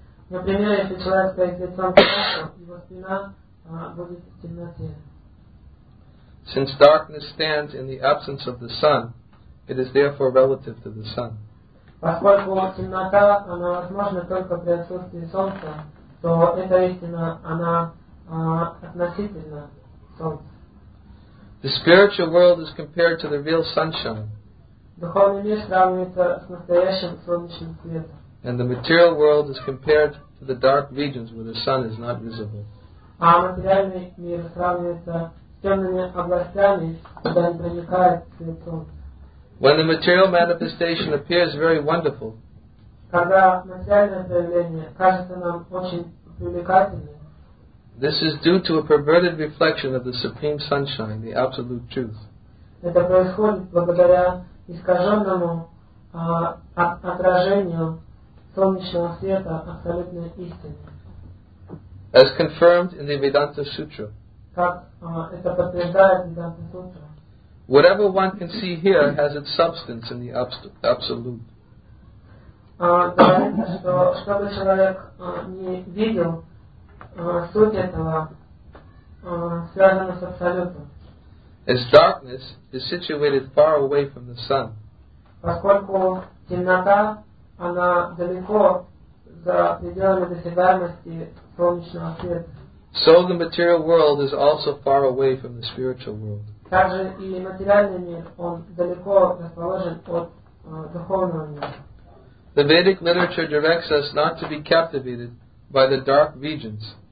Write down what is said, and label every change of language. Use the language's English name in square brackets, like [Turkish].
[Russian] Например, если человек стоит лицом к солнцу, его спина будет в темноте. [English] Since darkness stands in the absence of the sun, it is therefore relative to the sun. [Russian] Поскольку темнота, она возможна только при отсутствии солнца, то эта истина, она относительно солнца. [English] The spiritual world is compared to the real sunshine. [Russian] Духовный мир сравнивается с настоящим солнечным светом. [English] And the material world is compared to the dark regions where the sun is not visible. [Russian] А материальный мир сравнивается с темными областями, куда не проникает свет солнца. [English] When the material manifestation appears very wonderful, [Russian] когда материальное проявление кажется нам очень привлекательным, [English] this is due to a perverted reflection of the Supreme Sunshine, the Absolute Truth. [Russian] Это происходит благодаря искаженному отражению солнечного света абсолютной истины. [English] As confirmed in the Vedanta Sutra. [Russian] Как это подтверждает Vedanta Sutra. [English] Whatever one can see here has its substance in the Absolute. [Russian] Чтобы человек не видел, суть этого связана с абсолютом. [English] As darkness is situated far away from the sun. [Russian] Поскольку темнота, она далеко за пределами досягаемости солнечного света. [English] So the material world is also far away from the spiritual world. [Russian] Также и материальный мир, он далеко расположен от духовного мира. [English] The Vedic literature directs us not to be captivated by the dark regions.